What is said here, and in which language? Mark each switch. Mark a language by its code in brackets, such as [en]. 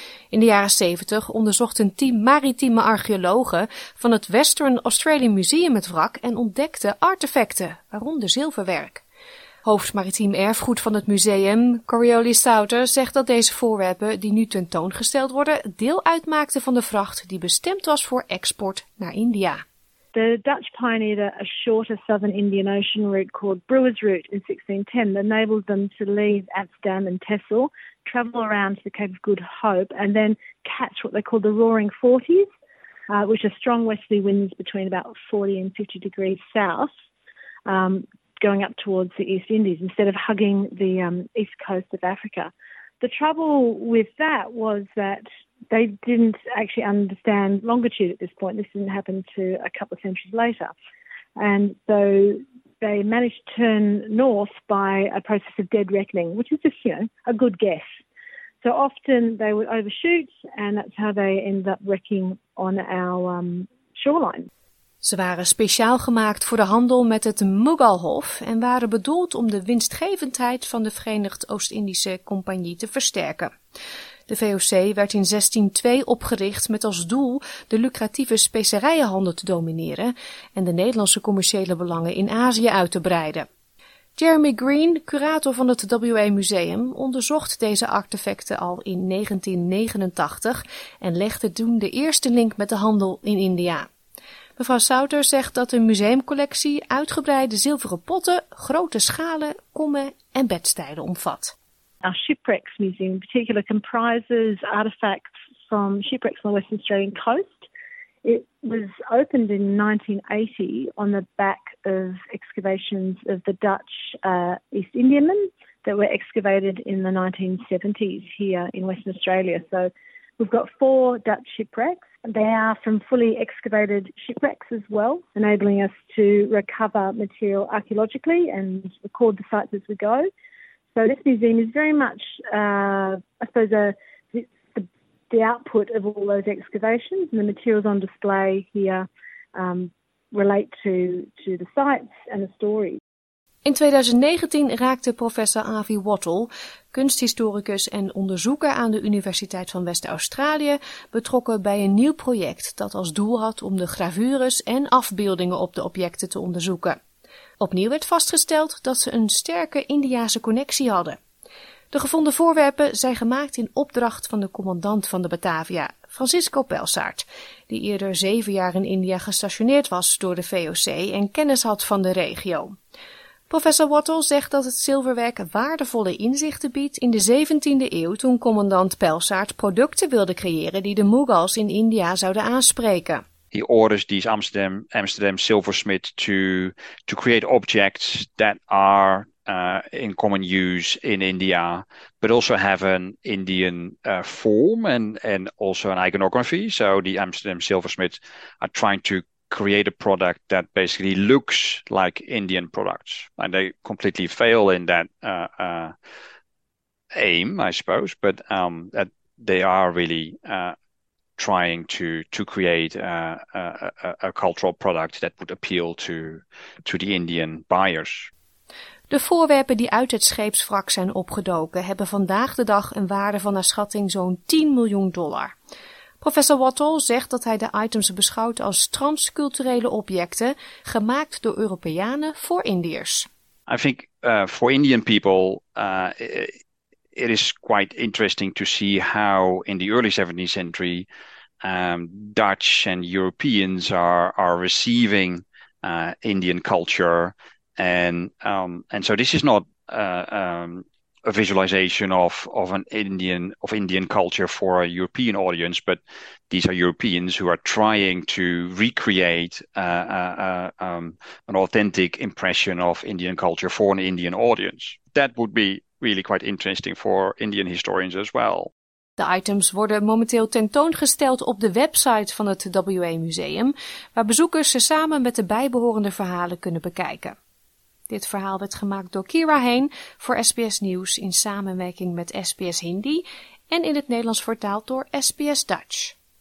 [nl] In de jaren 70 onderzocht een team maritieme archeologen van het Western Australian Museum het wrak en ontdekte artefacten, waaronder zilverwerk. Hoofd maritiem erfgoed van het museum, Coriolis Souter, zegt dat deze voorwerpen die nu tentoongesteld worden deel uitmaakten van de vracht die bestemd was voor export naar India. [en] The Dutch pioneered a shorter southern Indian Ocean route called Brewer's Route in 1610 that enabled them to leave Amsterdam and Texel, travel around to the Cape of Good Hope, and then catch what they called the Roaring Forties, which are strong westerly winds between about 40 and 50 degrees south, going up towards the East Indies instead of hugging the east coast of Africa. The trouble with that was that they didn't actually understand longitude at this point. This didn't happen to a couple of centuries later. And so they managed to turn north by a process of dead reckoning, which is just, you know, a good guess. So often they would overshoot, and that's how they ended up wrecking on our shoreline. [nl] Ze waren speciaal gemaakt voor de handel met het Mughalhof en waren bedoeld om de winstgevendheid van de Verenigd Oost-Indische Compagnie te versterken. De VOC werd in 1602 opgericht met als doel de lucratieve specerijenhandel te domineren en de Nederlandse commerciële belangen in Azië uit te breiden. Jeremy Green, curator van het WA Museum, onderzocht deze artefacten al in 1989 en legde toen de eerste link met de handel in India. Mevrouw Souter zegt dat een museumcollectie uitgebreide zilveren potten, grote schalen, kommen en bedstijden omvat. [en] Our shipwrecks museum in particular comprises artifacts from shipwrecks on the Western Australian coast. It was opened in 1980 on the back of excavations of the Dutch East Indiamen that were excavated in the 1970s here in Western Australia. So we've got four Dutch shipwrecks. They are from fully excavated shipwrecks as well, enabling us to recover material archaeologically and record the sites as we go. So this museum is very much, the output of all those excavations, and the materials on display here relate to the sites and the stories. [nl] In 2019 raakte professor Avi Wattle, kunsthistoricus en onderzoeker aan de Universiteit van West-Australië, betrokken bij een nieuw project dat als doel had om de gravures en afbeeldingen op de objecten te onderzoeken. Opnieuw werd vastgesteld dat ze een sterke Indiase connectie hadden. De gevonden voorwerpen zijn gemaakt in opdracht van de commandant van de Batavia, Francisco Pelsaert, die eerder 7 jaar in India gestationeerd was door de VOC en kennis had van de regio. Professor Wattle zegt dat het zilverwerk waardevolle inzichten biedt in de 17e eeuw toen commandant Pelsaert producten wilde creëren die de Mughals in India zouden aanspreken. [en] He orders these Amsterdam silversmith to create objects that are in common use in India, but also have an Indian form and also an iconography. So the Amsterdam silversmith are trying to create a product that basically looks like Indian products. And they completely fail in that aim, I suppose, but that they are really trying to create a cultural product that would appeal to the Indian buyers. [nl] De voorwerpen die uit het scheepswrak zijn opgedoken hebben vandaag de dag een waarde van naar schatting zo'n $10 miljoen. Professor Wattle zegt dat hij de items beschouwt als transculturele objecten gemaakt door Europeanen voor Indiërs. [en] I think for Indian people it is quite interesting to see how in the early 17th century Dutch and Europeans are receiving Indian culture, and so this is not a visualization of Indian culture for a European audience, but these are Europeans who are trying to recreate an authentic impression of Indian culture for an Indian audience. That would be really quite interesting for Indian historians as well. [nl] De items worden momenteel tentoongesteld op de website van het WA Museum, waar bezoekers ze samen met de bijbehorende verhalen kunnen bekijken. Dit verhaal werd gemaakt door Kira Heen voor SBS Nieuws in samenwerking met SBS Hindi en in het Nederlands vertaald door SBS Dutch.